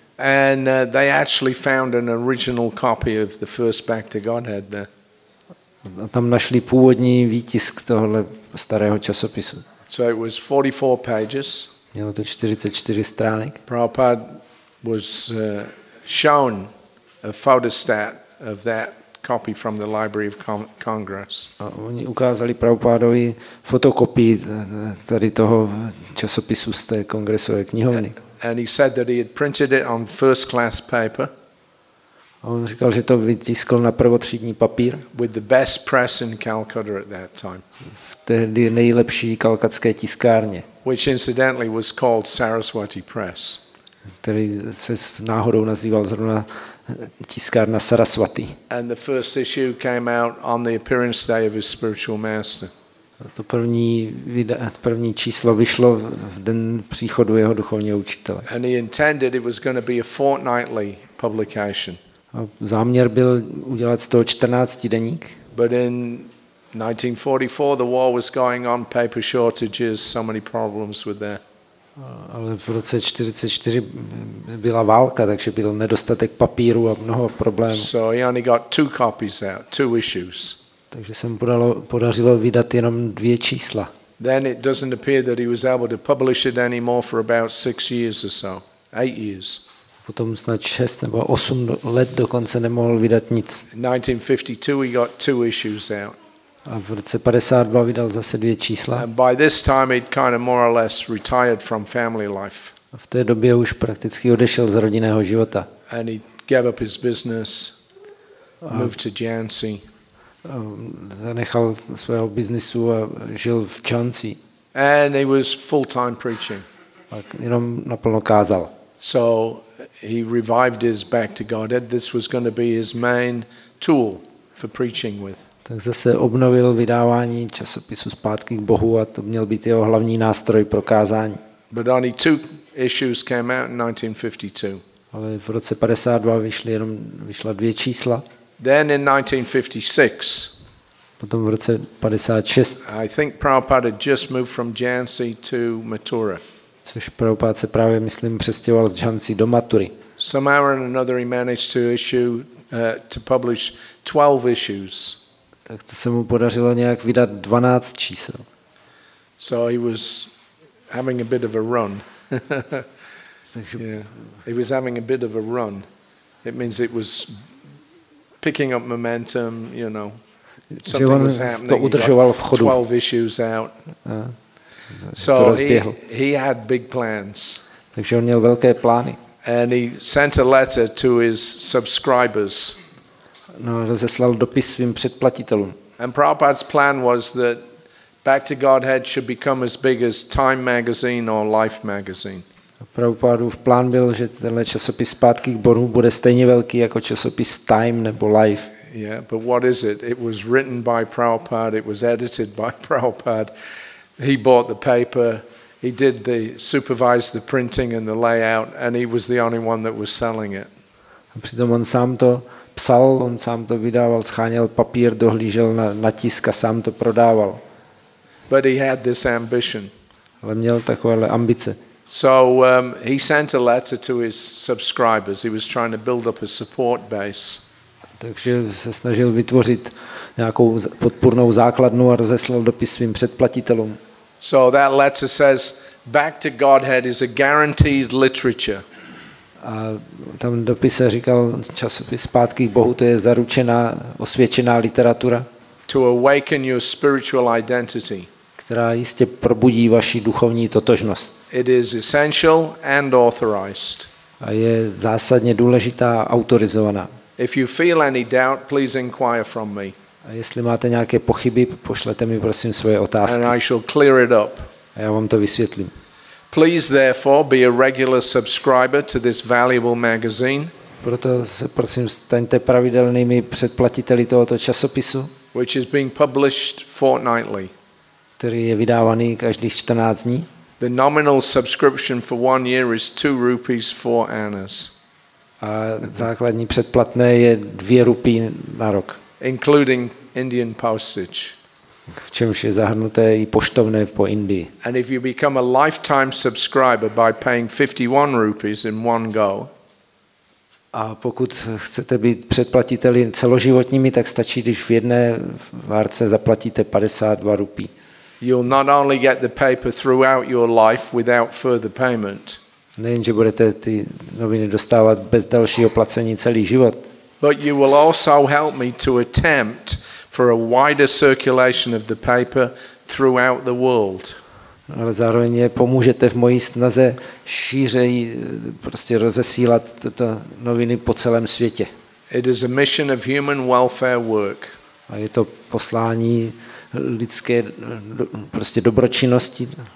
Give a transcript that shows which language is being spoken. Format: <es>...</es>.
<en>And they actually found an original copy of the first Back to Godhead there.</en> <cs>A tam našli původní výtisk tohohle starého časopisu.</cs> <en>So it was 44 pages.</en> <cs>Mělo to 44 stránek.</cs> <en>Prabhupada was shown a photostat of that copy from the Library of Congress.</en> <cs>A oni ukázali Prabhupádovi fotokopii tady toho časopisu z té kongresové knihovny.</cs> <en>And he said that he had printed it on first class paper.</en> <cs>On říkal, že to vytiskl na prvotřídní papír.</cs> <en>With the best press in Calcutta at that time.</en> <cs>V tehdy nejlepší kalkatské tiskárně.</cs> <en>Which incidentally was called Saraswati Press.</en> <cs>Který se náhodou nazýval zrovna tiskárna Saraswati.</cs> <en>And the first issue came out on the appearance day of his spiritual master.</en> <cs>To první číslo vyšlo v den příchodu jeho duchovního učitele.</cs> <en>And he intended it was going to be a fortnightly publication.</en> <cs>A záměr byl udělat z toho 14 deník.</cs> <en>But in 1944 the war was going on, paper shortages, so many problems with that.</en> <cs>Ale v roce 44 byla válka, takže byl nedostatek papíru a mnoho problémů.</cs> <en>So he only got two copies out, two issues.</en> <cs>Takže se mu podařilo vydat jenom dvě čísla.</cs> <en>Then it doesn't appear that he was able to publish it anymore for about 6 years or so, 8 years.</en> <cs>Potom snad 6 nebo 8 let dokonce nemohl vydat nic.</cs> <en>1952 he got two issues out.</en> <cs>A v roce 52 vydal zase dvě čísla.</cs> <en>And by this time he'd kind of more or less retired from family life.</en> <cs>A v té době už prakticky odešel z rodinného života.</cs> <en>And he gave up his business, moved to Jhansi.</en> <cs>Zanechal svého biznisu a žil v Jhansi.</cs> <en>And he was full-time preaching.</en> <cs>A jenom naplno kázal.</cs> <en>So he revived his back to Godhead. This was going to be his main tool for preaching with.</en> <cs>Tak zase obnovil vydávání časopisu zpátky k Bohu a to měl být jeho hlavní nástroj pro kázání.</cs> <en>But only two issues came out in 1952.</en> <cs>Ale v roce 52 vyšla dvě čísla.</cs> <en>Then in 1956.</en> <cs>Potom v roce 56.</cs> <en>I think Prabhupada had just moved from Jhansi to Mathura.</en> <cs>Což Prabhupada se právě, myslím, přestěhoval z Jhansi do Mathury.</cs> <en>Somehow or another he managed to issue to publish 12 issues.</en> <cs>Tak to se mu podařilo nějak vydat 12 čísel.</cs> <en>So he was having a bit of a run. Yeah. He was having a bit of a run. It means it was picking up momentum, you know. Something was happening.</en> <cs>To udržoval v chodu.</cs> <en>12 issues out. So he had big plans.</en> <cs>Takže on měl velké plány.</cs> <en>And he sent a letter to his subscribers.</en> <cs>No, rozeslal dopis svým předplatitelům.</cs> <en>And Prabhupada's plan was that Back to Godhead should become as big as Time magazine or Life magazine.</en> <cs>Prabhupádův plán byl, že tenhle časopis Zpátky k Bohu bude stejně velký jako časopis Time nebo Life.</cs> <en>Yeah, but what is it? It was written by Prabhupada, it was edited by Prabhupada. He bought the paper, he did the supervised the printing and the layout and he was the only one that was selling it.</en> <cs>A přitom on sám to psal, on sám to vydával, scháněl papír, dohlížel na tisk a sám to prodával.</cs> <en>But he had this ambition.</en> <cs>Ale měl takovéhle ambice.</cs> <en>So he sent a letter to his subscribers. He was trying to build up a support base.</en> <cs>Takže se snažil vytvořit nějakou podpůrnou základnu a rozeslal dopis svým předplatitelům.</cs> <en>So that letter says back to Godhead is a guaranteed literature.</en> <cs>A tam dopise říkal časopis zpátky k Bohu, to je zaručená, osvědčená literatura.</cs> <en>To awaken your spiritual identity.</en> <cs>Která jistě probudí vaši duchovní totožnost.</cs> <en>It is essential and authorized.</en> <cs>A je zásadně důležitá a autorizovaná.</cs> <en>If you feel any doubt, please inquire from me.</en> <cs>A jestli máte nějaké pochyby, pošlete mi prosím svoje otázky.</cs> <en>And I shall clear it up.</en> <cs>A já vám to vysvětlím.</cs> <en>Please therefore be a regular subscriber to this valuable magazine.</en> <cs>Proto se prosím staňte pravidelnými předplatiteli tohoto časopisu,</cs> <en>which is being published fortnightly.</en> <cs>Který je vydávaný každých 14 dní.</cs> <en>The nominal subscription for one year is 2 rupees 4 annas.</en> <cs>A základní předplatné je 2 rupí na rok.</cs> <en>Including Indian postage.</en> <cs>V čemž je zahrnuté i poštovné po Indii.</cs> <en>And if you become a lifetime subscriber by paying 51 rupees in one go.</en> <cs>A pokud chcete být předplatiteli celoživotními, tak stačí, když v jedné várce zaplatíte 52 rupí.</cs> <en>You'll not only get the paper throughout your life without further payment.</en> <cs>Nejenže budete ty noviny dostávat bez dalšího placení celý život.</cs> <en>But you will also help me to attempt for a wider circulation of the paper throughout the world.</en> <cs>Ale zároveň pomůžete v mojí snaze šířej prostě rozesílat tyto noviny po celém světě.</cs> <en>It is a mission of human welfare work.</en> <cs>A je to poslání lidské prostě dobročinnosti.</cs>